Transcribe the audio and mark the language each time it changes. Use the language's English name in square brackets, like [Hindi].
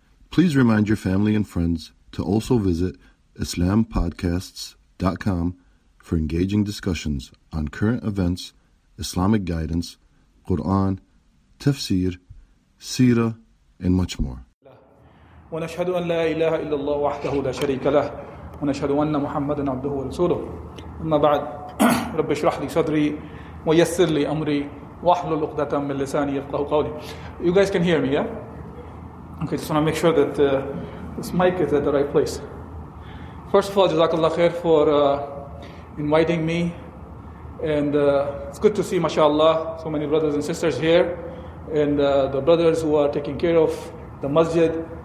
[English] Please remind your family and friends to also visit IslamPodcasts.com for engaging discussions on current events, Islamic guidance, Quran, tafsir, seerah, and much more. [Arabic] ونشهد أن لا إله إلا الله وحده لا شريك له ونشهد أن محمدا عبده ورسوله أما بعد رب اشرح لي صدري ويسر لي أمري واحلل عقدة من لساني يفقهوا قولي. [English] You guys can hear me, yeah? Okay, just want to make sure that this mic is at the right place. First of all, JazakAllah khair for inviting me, and it's good to see, mashallah, so many brothers and sisters here, and the brothers who are taking care of the masjid.